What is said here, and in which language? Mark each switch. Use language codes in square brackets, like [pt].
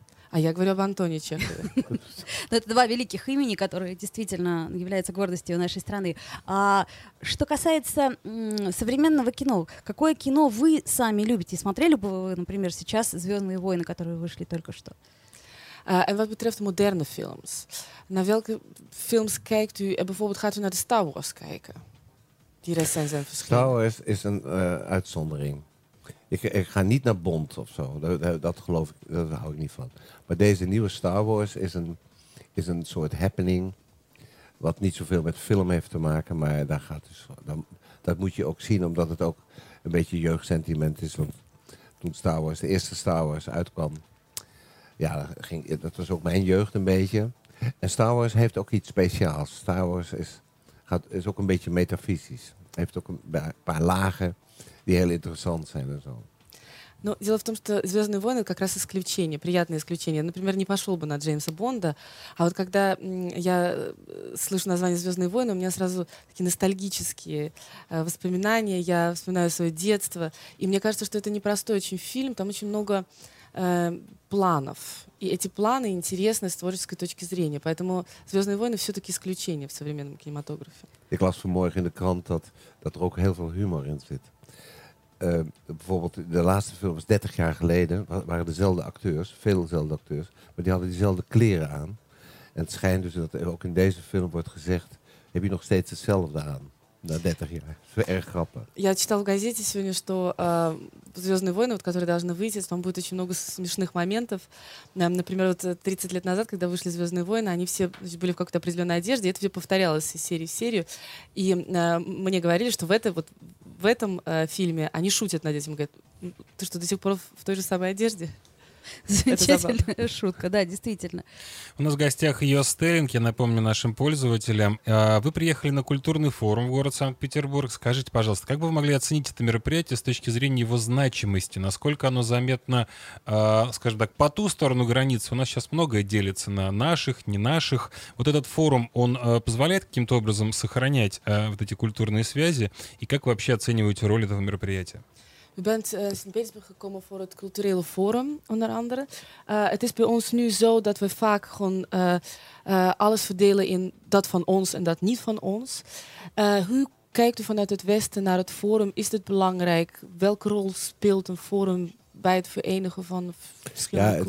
[ru] А я говорю об Антоне Чехове. Но это два великих имени, которые действительно являются гордостью нашей страны. А что касается современного кино, какое кино вы сами любите? Смотрели бы вы, например, сейчас «Звездные войны», которые вышли только что? [de] Was betrifft moderne films. [nl] На welke films kijkt u? Bijvoorbeeld, gaat u naar de Star Wars kijken? Die recent zijn verschillend. Star Wars is een uitzondering. Ik ga niet naar Bond of zo. Dat geloof ik, dat hou ik niet van. Maar deze nieuwe Star Wars is een soort happening. Wat niet zoveel met film heeft te maken, maar daar gaat dus van. Dat moet je ook zien, omdat het ook een beetje jeugdsentiment is. Want toen Star Wars, de eerste Star Wars uitkwam, ja, dat was ook mijn jeugd een beetje. En Star Wars heeft ook iets speciaals. Star Wars is ook een beetje metafysisch. Heeft ook een paar lagen die heel interessant zijn en zo. [ru] Ну, дело в том, что «Звездные войны» — это как раз исключение, приятное исключение. Например, не пошел бы на Джеймса Бонда. А вот когда я слышу название «Звездные войны», у меня сразу такие ностальгические воспоминания. Я вспоминаю свое детство. И мне кажется, что это непростой очень фильм. Там очень много планов. И эти планы интересны с творческой точки зрения. Поэтому «Звездные войны» все-таки исключение в современном кинематографе. [nl] Ik las vanmorgen in de krant dat er ook heel veel humor in zit. Bijvoorbeeld de laatste film was 30 jaar geleden, waren dezelfde acteurs, veel dezelfde acteurs, maar die hadden dezelfde kleren aan. En het schijnt dus dat er ook in deze film wordt gezegd: heb je nog steeds hetzelfde aan? [ru] На 30 лет. Это очень грамотно. Я читала в газете сегодня, что «Звездные войны», вот, которые должны выйти, там будет очень много смешных моментов. Например, вот 30 лет назад, когда вышли «Звездные войны», они все были в какой-то определенной одежде, и это все повторялось из серии в серию. И мне говорили, что в этом фильме они шутят над этим. Говорят: ты что, до сих пор в той же самой одежде? Замечательная шутка, да, действительно. У нас в гостях Йо Стеллинг, я напомню нашим пользователям. Вы приехали на культурный форум в город Санкт-Петербург. Скажите, пожалуйста, как бы вы могли оценить это мероприятие с точки зрения его значимости? Насколько оно заметно, скажем так, по ту сторону границы? У нас сейчас многое делится на наших, не наших. Вот этот форум, он позволяет каким-то образом сохранять вот эти культурные связи? И как вы вообще оцениваете роль этого мероприятия? [nl] U bent in Sint-Petersburg gekomen voor het culturele forum, onder andere. Het is bij ons nu zo dat we vaak gewoon alles verdelen in dat van ons en dat niet van ons. Hoe kijkt u vanuit het Westen naar het forum? Is dit belangrijk? Welke rol speelt een forum bij het verenigen van verschillende culturen?